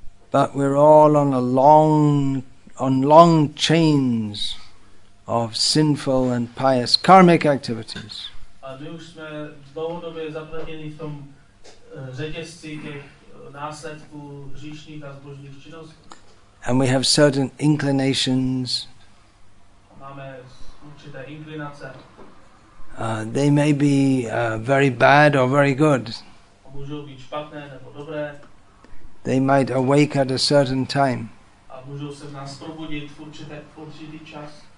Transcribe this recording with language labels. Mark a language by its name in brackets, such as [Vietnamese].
[English] But we're all on long chains of sinful and pious karmic activities. [Czech] A my už jsme dlouhodobě zapletěni v tom řetězci těch následků hříšných a zbožných činností. [English] And we have certain inclinations. [Czech] A máme určité inklinace. [English] They may be very bad or very good. [Czech] A můžou být špatné nebo dobré. [English] They might awake at a certain time. [Czech] A můžou se v nás probudit v určitý čas.